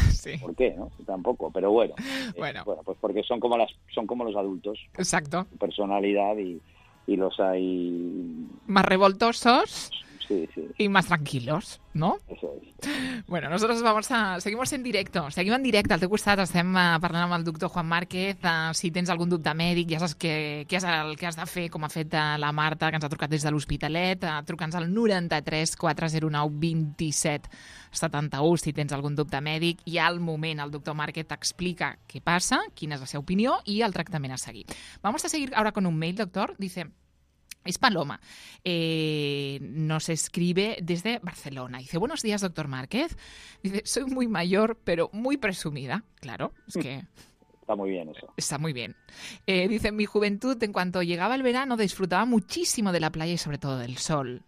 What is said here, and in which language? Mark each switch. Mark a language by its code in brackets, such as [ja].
[es] sí. ¿Por qué, no? Tampoco, pero bueno. Bueno, pues porque son como los adultos. Exacto. Personalidad y los hay más revoltosos. Sí, sí. Y más tranquilos, ¿no? Eso es. Bueno, nosotros seguimos en directo. [ca] T'he costat, estem parlant amb el doctor Juan Márquez. Si tens algun dubte mèdic, ja saps què és el que has de fer, com ha fet la Marta, que ens ha trucat des de l'Hospitalet. Truca'ns al 93-409-2771 si tens algun dubte mèdic. I al moment el doctor Márquez t'explica què passa, quina és la seva opinió i el tractament a seguir. [es] Vamos a seguir ahora con un mail, doctor. Dice... Es Paloma. Nos escribe desde Barcelona. Dice, buenos días, doctor Márquez. Dice, soy muy mayor, pero muy presumida. Claro, es que... Está muy bien eso. Está muy bien. Dice, en mi juventud, en cuanto llegaba el verano, disfrutaba muchísimo de la playa y sobre todo del sol.